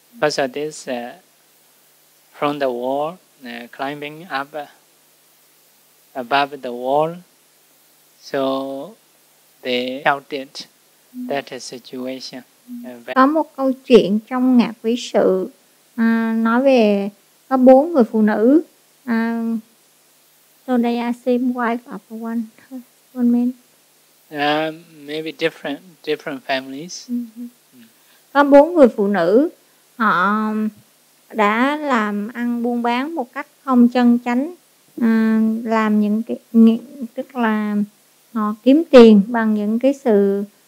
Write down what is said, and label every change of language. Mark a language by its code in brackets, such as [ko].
[en] Because of this, from the wall, climbing up above the wall, so they shouted that situation. [vi] Có một câu chuyện trong Ngạ Quý Sự nói về có bốn người phụ nữ. [en] So they are same wife of one man. Maybe different families. [vi] Có bốn người phụ nữ, họ đã làm ăn buôn bán một cách không chân chánh, làm những cái, tức là họ kiếm tiền bằng những cái sự